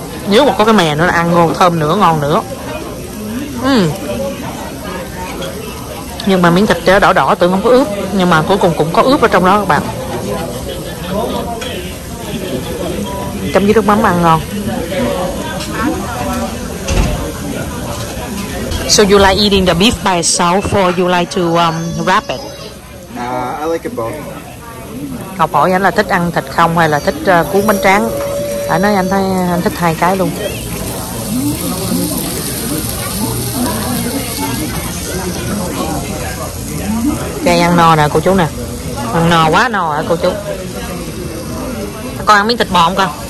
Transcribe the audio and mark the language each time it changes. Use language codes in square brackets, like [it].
[vi] Nếu mà có cái mè nữa là ăn ngon thơm nữa, ngon nữa. Nhưng mà miếng thịt đó đỏ đỏ tưởng không có ướp, nhưng mà cuối cùng cũng có ướp ở trong đó các bạn. Chấm với nước mắm ăn ngon. [en] So you like eating the beef by itself or you like to wrap it? I like it both. [vi] Ngọc hỏi anh là thích ăn thịt không hay là thích cuốn bánh tráng. Anh nói anh thấy anh thích hai cái luôn. Đây ăn no nè cô chú nè. Ăn no quá no hả cô chú. Con ăn miếng thịt bò không con?